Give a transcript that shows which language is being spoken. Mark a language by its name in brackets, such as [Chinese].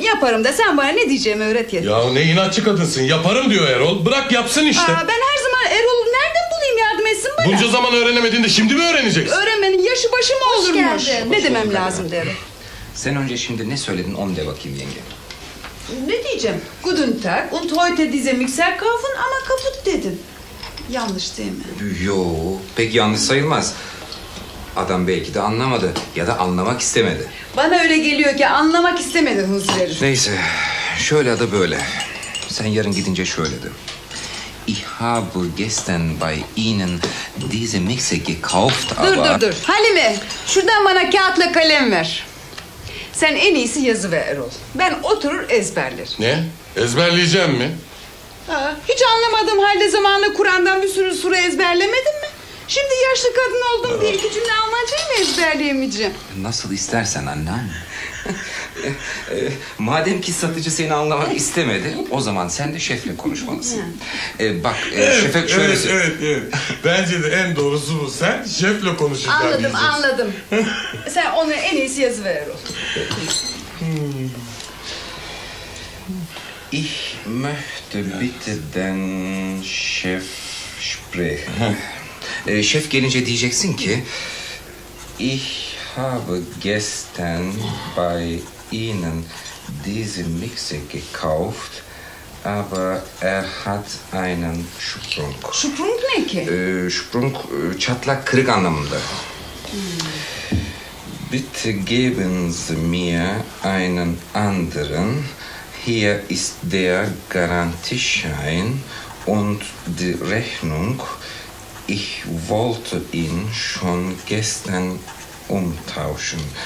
[Turkish] Yaparım da sen bana ne diyeceğimi öğret yeter. Ya ne inatçı kadınsın. Yaparım diyor Erol. Bırak yapsın işte. Aa, ben her zaman Erol nereden bulayım yardım etsin bana? Bunca zaman öğrenemedin de şimdi mi öğreneceksin? Öğrenmenin yaşı başı mı olurmuş? Hoş geldin. Ne demem lazım derim. Sen önce şimdi ne söyledin onu de bakayım yenge. Ne diyeceğim? [German] Guten Tag und heute diese Mixer kaufen [Turkish] ama [German] kaputt [Turkish] dedim. Yanlış değil mi? Yo, pek yanlış sayılmaz. Adam belki de anlamadı ya da anlamak istemedi. Bana öyle geliyor ki anlamak istemedi huzurlarım. Neyse, şöyle ya da böyle. Sen yarın gidince şöyle de. [German] Ich habe gestern bei Ihnen diese Mixer gekauft, aber... [Turkish] Dur. Halime, şuradan bana kağıtla kalem ver. Sen en iyisi yazı ver Erol. Ben oturur ezberlerim. Ne? Ezberleyeceğim mi? Hiç anlamadığım halde zamanla Kur'an'dan bir sürü sure ezberlemedin mi? Şimdi yaşlı kadın oldum diye iki cümle Almanca'yı mı ezberleyemeyeceğim? Nasıl istersen anneanne. Madem ki satıcı seni anlamak istemedi, o zaman sen de şefle konuşmalısın. Bak, şefe şöyle... Evet. Bence de en doğrusu bu. Sen şefle konuşacaksın. Anladım. Sen ona en iyisi yazıver o. [German] Ich möchte bitte den Chef sprechen. [Turkish] Şef gelince diyeceksin ki... [German] Ich habe gestern bei Ihnen diese Mixer gekauft, aber er hat einen Sprung. [Turkish] Sprung neke? Sprung, çatlak kırık anlamında. [German] Bitte geben Sie mir einen anderen. Hier ist der Garantieschein und die Rechnung. Ich wollte ihn schon gestern umtauschen.